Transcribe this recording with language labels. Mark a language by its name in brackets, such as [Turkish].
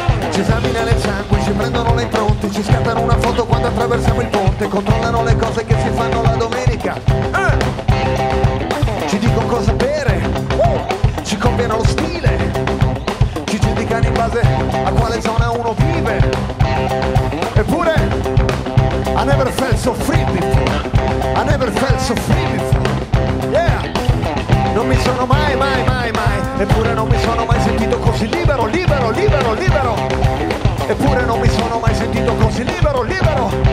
[Italian] Ci esamina le sangue, ci prendono le impronte, ci scattano una foto quando attraversiamo il ponte, controllano le cose che si fanno la domenica. Ci dicono cosa bere, ci copiano lo stile, ci giudicano in base a quale zona uno vive. [English] Eppure, I never felt so free before, I never felt so free before, yeah. [Italian] Non mi sono mai, mai, mai, mai, eppure non mi sono mai sentito così libero, libero, libero, libero. Eppure non mi sono mai sentito così libero, libero.